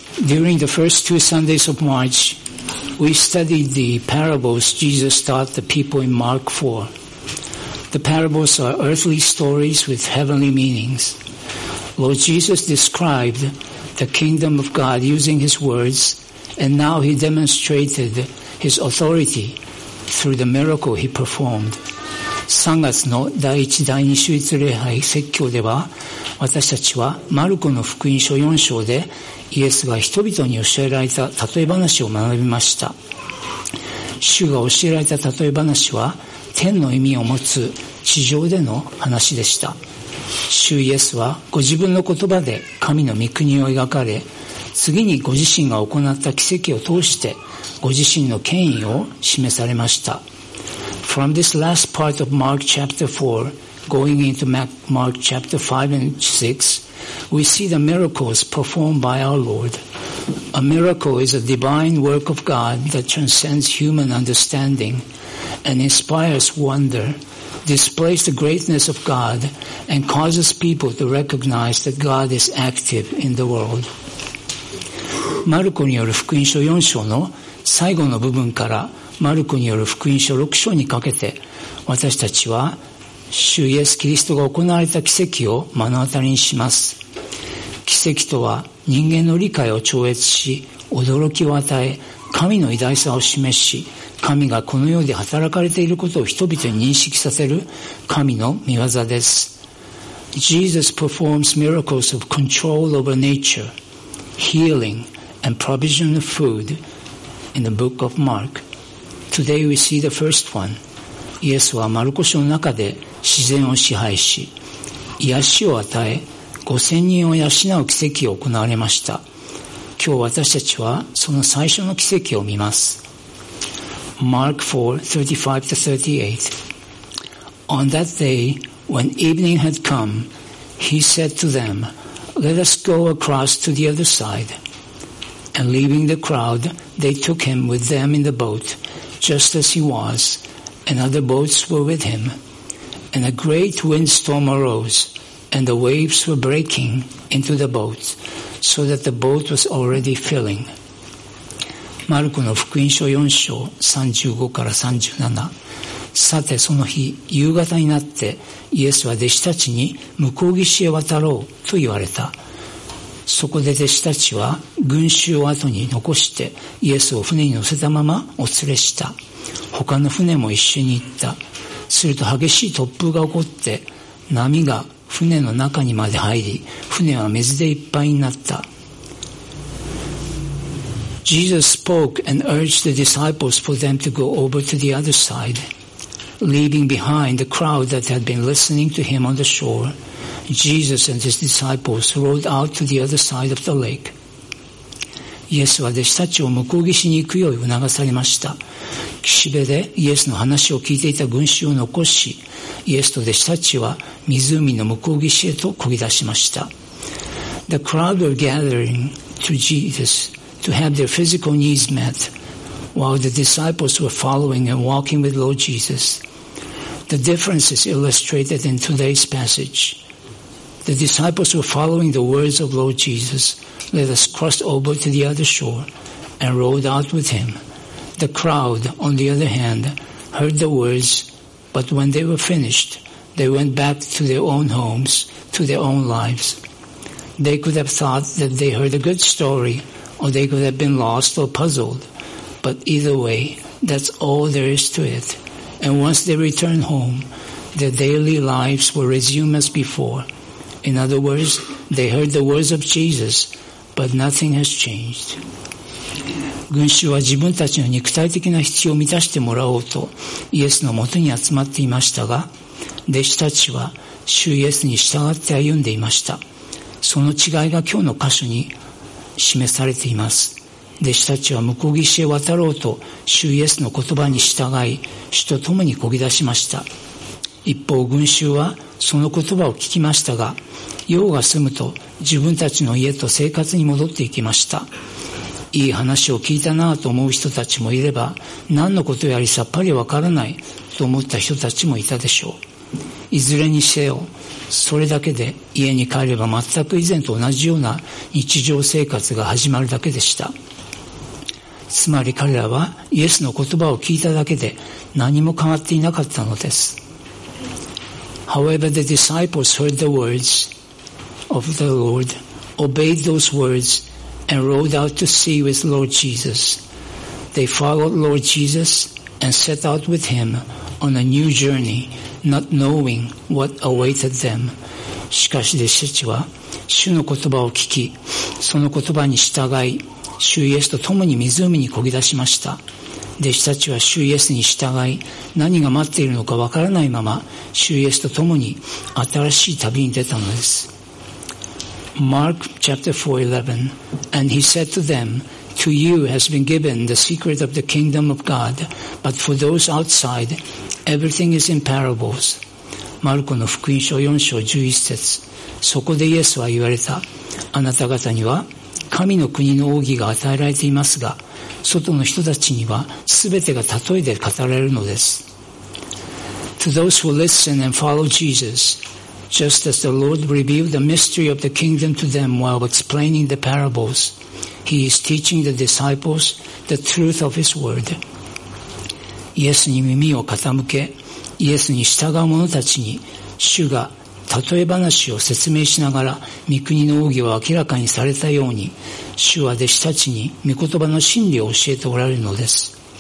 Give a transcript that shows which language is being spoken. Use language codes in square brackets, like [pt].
[en] During the first two Sundays of March, we studied the parables Jesus taught the people in Mark 4. The parables are earthly stories with heavenly meanings. Lord Jesus described the kingdom of God using his words, and now he demonstrated his authority through the miracle he performed. [ja] 3月の第1第2週一礼拝説教では、私たちはマルコの福音書4章でイエスが人々に教えられた例え話を学びました。主が教えられた例え話は天の意味を持つ地上での話でした。主イエスはご自分の言葉で神の御国を描かれ、次にご自身が行った奇跡を通してご自身の権威を示されました。 [en] From this last part of Mark chapter 4, going into Mark chapter 5 and 6, we see the miracles performed by our Lord. A miracle is a divine work of God that transcends human understanding and inspires wonder, displays the greatness of God, and causes people to recognize that God is active in the world. [ja] マルコによる福音書4章の最後の部分からマルコによる福音書6章にかけて、私たちは主イエス・キリストが行われた奇跡を目の当たりにします。奇跡とは人間の理解を超越し、驚きを与え、神の偉大さを示し、神がこの世で働かれていることを人々に認識させる神の御業です。 [en] Jesus performs miracles of control over nature, healing and provision of food in the book of MarkToday we see the first one. [ja] イエスはマルコ書の中で自然を支配し、癒しを与え、5000人を養う奇跡を行われました。今日私たちはその最初の奇跡を見ます。 [en] Mark 4:35-38. On that day, when evening had come, he said to them, "Let us go across to the other side." And leaving the crowd, they took him with them in the boat. Just as he was, and other boats were with him. And a great windstorm arose, and the waves were breaking into the boat, so that the boat was already filling. [ja] マルコの福音書4章35から37。さてその日、夕方になって、イエスは弟子たちに向こう岸へ渡ろうと言われた。そこで弟子たちは群衆を後に残してイエスを船に乗せたままお連れした。他の船も一緒に行った。すると激しい突風が起こって波が船の中にまで入り、船は水でいっぱいになった。 [en] Jesus spoke and urged the disciples for them to go over to the other side, leaving behind the crowd that had been listening to him on the shore. Jesus and his disciples rowed out to the other side of the lake. [ja] イエスは弟子たちを向こう岸に行くよう促されました。岸辺でイエスの話を聞いていた群衆を残し、イエスと弟子たちは湖の向こう岸へと漕ぎ出しました。 [en] The crowd were gathering to Jesus to have their physical needs met, while the disciples were following and walking with Lord Jesus. The difference is illustrated in today's passage. The disciples were following the words of Lord Jesus, "Let us cross over to the other shore," and rowed out with him. The crowd, on the other hand, heard the words, but when they were finished, they went back to their own homes, to their own lives. They could have thought that they heard a good story, or they could have been lost or puzzled, but either way, that's all there is to it. And once they returned home, their daily lives were resumed as before. In other words, they heard the words of Jesus, but nothing has changed. [ja] 群衆は自分たちの肉体的な必要を満たしてもらおうとイエスの元に集まっていましたが、弟子たちは主イエスに従って歩んでいました。その違いが今日の箇所に示されています。弟子たちは向こう岸へ渡ろうと主イエスの言葉に従い、主と共に漕ぎ出しました。一方群衆はその言葉を聞きましたが、用が済むと自分たちの家と生活に戻っていきました。いい話を聞いたなぁと思う人たちもいれば、何のことやりさっぱりわからないと思った人たちもいたでしょう。いずれにせよ、それだけで家に帰れば全く以前と同じような日常生活が始まるだけでした。つまり彼らはイエスの言葉を聞いただけで何も変わっていなかったのです。 [en] However, the disciples heard the words of the Lord, obeyed those words, and rode out to sea with Lord Jesus. They followed Lord Jesus and set out with him on a new journey, not knowing what awaited them. [ja] しかし弟子たちは主の言葉を聞き、その言葉に従い、主イエスと共に湖に漕ぎ出しました。弟子たちは主イエスに従い、何が待っているのかわからないまま、主イエスと共に新しい旅に出たのです。 [en] Mark chapter 4:11 And he said to them, To you has been given the secret of the kingdom of God, but for those outside, everything is in parables. [ja] マルコの福音書4章11節。そこでイエスは言われた。あなた方には、神の国の奥義が与えられていますが、外の人たちには全てが例えで語られるのです。 [en] To those who listen and follow Jesus, just as the Lord revealed the mystery of the kingdom to them while explaining the parables, he is teaching the disciples the truth of his word. [ja] イエスに耳を傾け、イエスに従う者たちに、主が例え話を説明しながら御国の奥義を明らかにされたように、主は弟子たちに御言葉の真理を教えておられるのです。